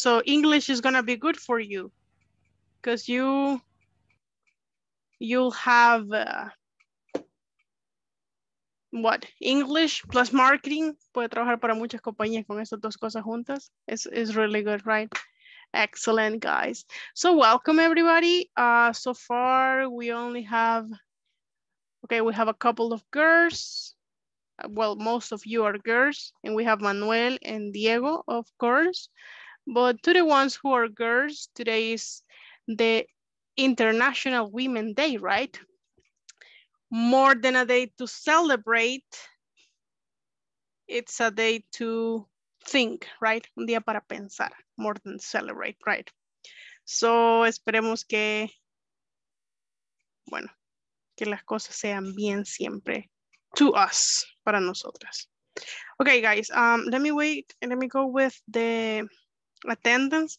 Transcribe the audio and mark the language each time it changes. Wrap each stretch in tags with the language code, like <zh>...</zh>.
<en>So English is gonna be good for you because you'll have what? English plus marketing.</en> <es>Puede trabajar para muchas compañías con estas dos cosas juntas.</es> <en>It's really good, right? Excellent, guys. So welcome, everybody. So far, we only have, okay, we have a couple of girls. Well, most of you are girls, and we have Manuel and Diego, of course. But to the ones who are girls, today is the International Women's Day, right? More than a day to celebrate, it's a day to think, right?</en> <es>Un día para pensar,</es> <en>more than celebrate, right?</en> <es>So esperemos que, bueno, que las cosas sean bien siempre.</es> <en>To us,</en> <es>para nosotras.</es> <en>Okay, guys, let me wait and let me go with the attendance.</en>